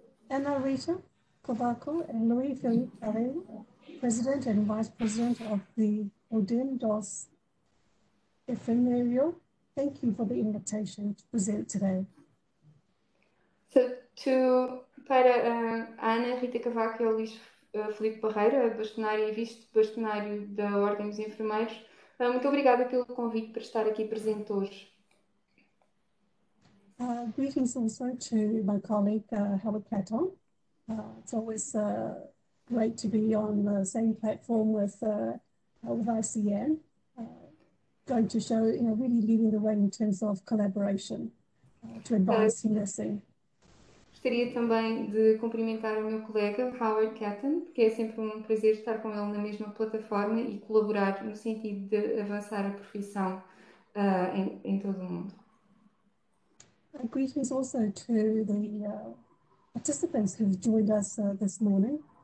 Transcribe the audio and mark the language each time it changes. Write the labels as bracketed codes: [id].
[en] Ana Rita Cavaco and Luis Felipe Carreira, President and Vice President of the ODIN DOS Efemério, thank you for the invitation to present today. [pt] So, para Ana Rita Cavaco e Luís Filipe Barreira, bastonário e vice-bastonário da Ordem dos Enfermeiros, muito obrigada pelo convite para estar aqui presente hoje. [en] Greetings also to my colleague, Helen Platon. It's always great to be on the same platform with ICN, going to show, you know, really leading the way in terms of collaboration to advance nursing. [pt] Gostaria também de cumprimentar o meu colega, Howard Catton, que é sempre um prazer estar com ele na mesma plataforma e colaborar no sentido de avançar a profissão em todo o mundo. [en] Greetings also to the participants who have joined us this morning.